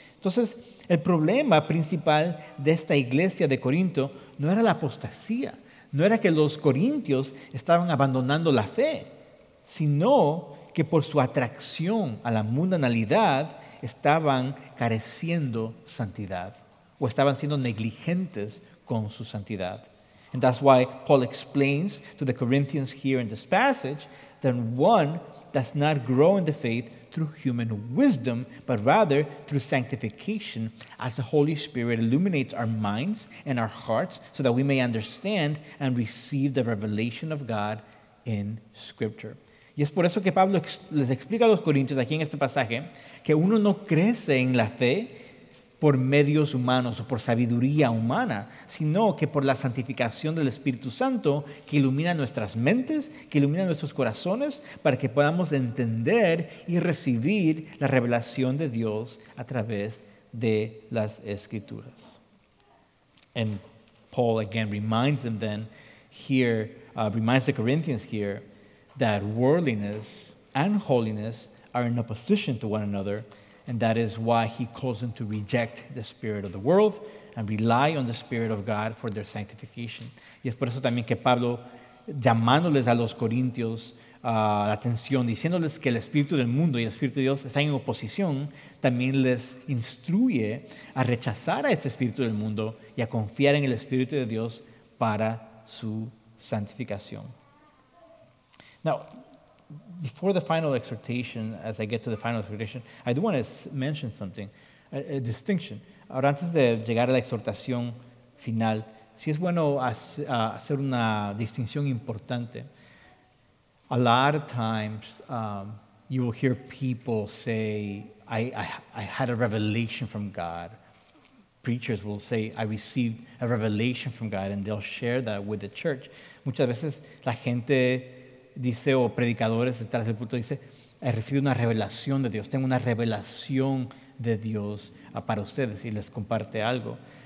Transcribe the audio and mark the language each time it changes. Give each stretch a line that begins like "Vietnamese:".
Spanish: Entonces, el problema principal de esta iglesia de Corinto no era la apostasía, no era que los corintios estaban abandonando la fe, sino que por su atracción a la mundanalidad estaban careciendo santidad o estaban siendo negligentes con su santidad.
English: And that's why Paul explains to the Corinthians here in this passage that one does not grow in the faith through human wisdom, but rather through sanctification, as the Holy Spirit illuminates our minds and our hearts so that we may understand and receive the revelation of God in Scripture.
Spanish: Y es por eso que Pablo les explica a los corintios aquí en este pasaje que uno no crece en la fe por medios humanos o por sabiduría humana, sino que por la santificación del Espíritu Santo que ilumina nuestras mentes, que ilumina nuestros corazones para que podamos entender y recibir la revelación de Dios a través de las Escrituras.
English: And Paul again reminds them then here, reminds the Corinthians here that worldliness and holiness are in opposition to one another. And that is why he calls them to reject the spirit of the world and rely on the Spirit of God for their sanctification.
Spanish: Y es por eso también que Pablo, llamándoles a los corintios la atención, diciéndoles que el Espíritu del mundo y el Espíritu de Dios están en oposición, también les instruye a rechazar a este Espíritu del mundo y a confiar en el Espíritu de Dios para su santificación.
English: Now, before the final exhortation, as I get to the final exhortation, I do want to mention something, a distinction.
Spanish: Ahora, antes de llegar a la exhortación final, sí es bueno hacer una distinción importante.
English: A lot of times, you will hear people say, I had a revelation from God. preachers will say, I received a revelation from God, and they'll share that with the church.
Spanish: Muchas veces la gente dice, o predicadores detrás del punto dice, he recibido una revelación de Dios, tengo una revelación de Dios para ustedes, y les comparte algo.